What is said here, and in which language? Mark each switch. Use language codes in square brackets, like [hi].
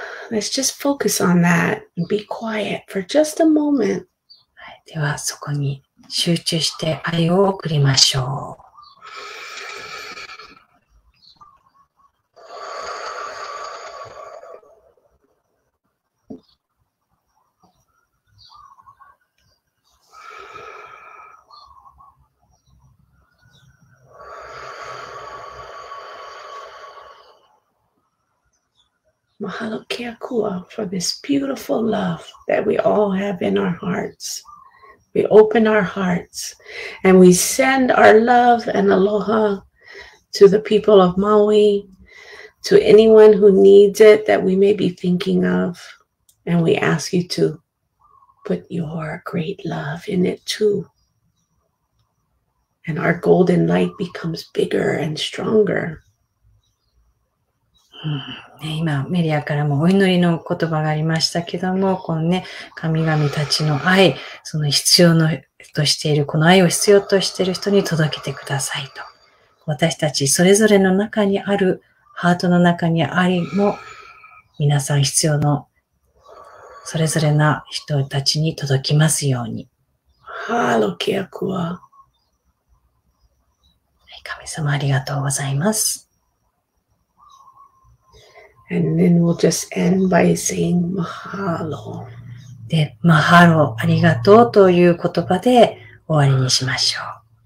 [en] Let's just focus on that and be quiet for just a moment. [ja] ではそこに集中して愛を送りましょう。 [haw] Mahalo ke akua [en] for this beautiful love that we all have in our hearts. We open our hearts and we send our love and aloha to the people of Maui, to anyone who needs it that we may be thinking of. And we ask you to put your great love in it too. And our golden light becomes bigger and stronger. [ja] うん、今、メリアからもお祈りの言葉がありましたけども、このね、神々たちの愛、その必要のとしている、この愛を必要としている人に届けてくださいと。私たちそれぞれの中にある、ハートの中にありも、皆さん必要の、それぞれな人たちに届きますように。 [haw] ハロケアクワ。 [ja] はい、神様ありがとうございます。 [en] And then we'll just end by saying mahalo. [ja] で、マハロ、ありがとうという言葉で終わりにしましょう。